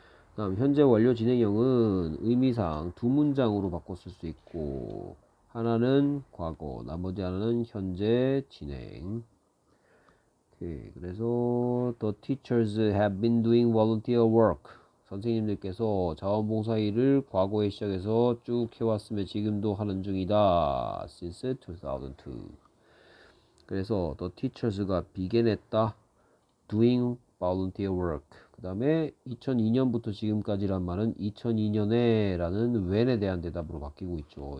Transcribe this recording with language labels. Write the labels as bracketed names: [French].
[Korean] 그다음 현재 완료 진행형은 의미상 두 문장으로 바꿔 쓸수 있고, 하나는 과거, 나머지 하나는 현재 진행. 오케이, 그래서 [English] The teachers have been doing volunteer work. [Korean] 선생님들께서 자원봉사 일을 과거에 시작해서 쭉 해왔으며 지금도 하는 중이다. [English] Since 2002. [Korean] 그래서 [English] The teachers가 begin [Korean] 했다. [English] Doing volunteer work. [Korean] 그 다음에 2002년부터 지금까지란 말은 2002년에라는 when에 대한 대답으로 바뀌고 있죠.